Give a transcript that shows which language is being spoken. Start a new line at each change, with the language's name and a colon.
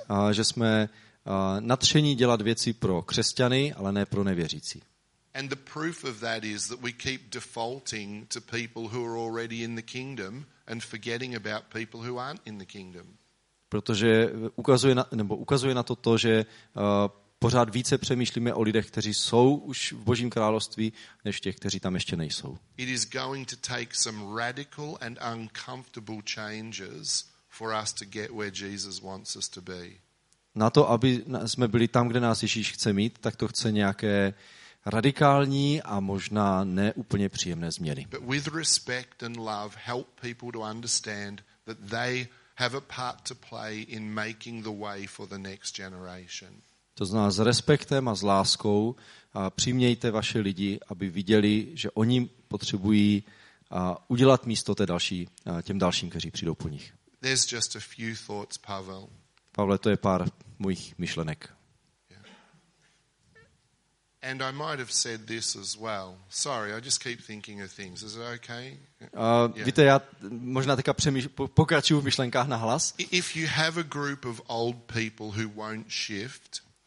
Czech: Že jsme nadšení dělat věci pro křesťany, ale ne pro nevěřící.
English: And the proof of that is that we keep defaulting to people who are already in the kingdom and forgetting about people who aren't in the kingdom.
Czech: Protože ukazuje na to to, že pořád více přemýšlíme o lidech, kteří jsou už v Božím království, než těch, kteří tam ještě nejsou.
English: It is going to take some radical and uncomfortable changes for us to get where Jesus wants us to be.
Czech: Na to, aby jsme byli tam, kde nás Ježíš chce mít, tak to chce nějaké radikální a možná neúplně příjemné změny.
English: But with respect and love help people to understand that they have a part to play in making the way for the next generation.
Czech: To znamená s respektem a s láskou a přimějte vaše lidi, aby viděli, že oni potřebují udělat místo těm dalším, kteří přijdou po nich.
English: There's just a few thoughts, Pavel.
Czech: Pavle, to je pár mojich myšlenek. Yeah.
English: And I might have said this as well. Sorry, I just keep thinking of things. Is it okay? Yeah.
Czech: Víte, já možná teďka pokračuju v myšlenkách na hlas.
English: If you have a group of old people who won't shift,